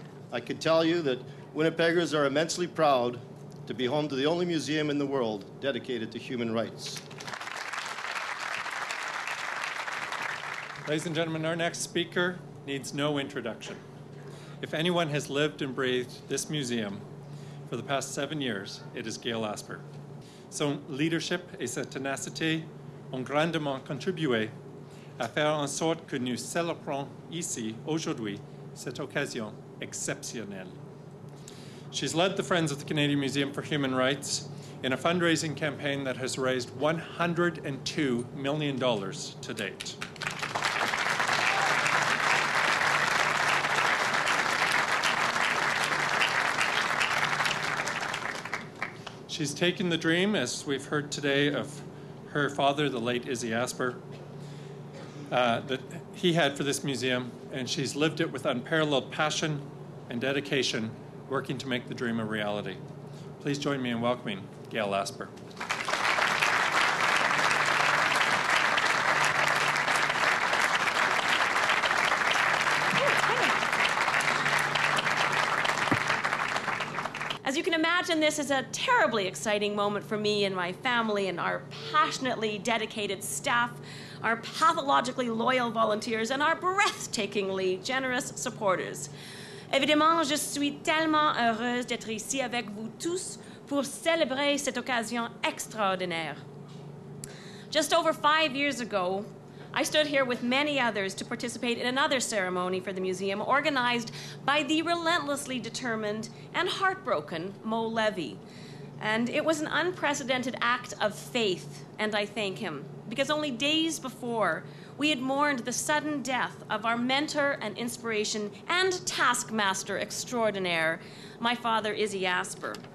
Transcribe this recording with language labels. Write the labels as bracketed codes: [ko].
[en] I can tell you that Winnipeggers are immensely proud to be home to the only museum in the world dedicated to human rights. Ladies and gentlemen, our next speaker needs no introduction. If anyone has lived and breathed this museum for the past 7 years, it is Gail Asper. [fr] Son leadership et sa tenacité ont grandement contribué à faire en sorte que nous célébrons ici aujourd'hui cette occasion exceptionnelle. [en] She's led the Friends of the Canadian Museum for Human Rights in a fundraising campaign that has raised $102 million to date. She's taken the dream, as we've heard today, of her father, the late Izzy Asper, that he had for this museum, and she's lived it with unparalleled passion and dedication, working to make the dream a reality. Please join me in welcoming Gail Asper. Oh, As you can imagine, this is a terribly exciting moment for me and my family and our passionately dedicated staff, our pathologically loyal volunteers, and our breathtakingly generous supporters. [fr] Évidemment, je suis tellement heureuse d'être ici avec vous tous pour célébrer cette occasion extraordinaire. [en] Just over 5 years ago, I stood here with many others to participate in another ceremony for the museum organized by the relentlessly determined and heartbroken Mo Levy. And it was an unprecedented act of faith, and I thank him, because only days before, we had mourned the sudden death of our mentor and inspiration and taskmaster extraordinaire, my father, Izzy Asper.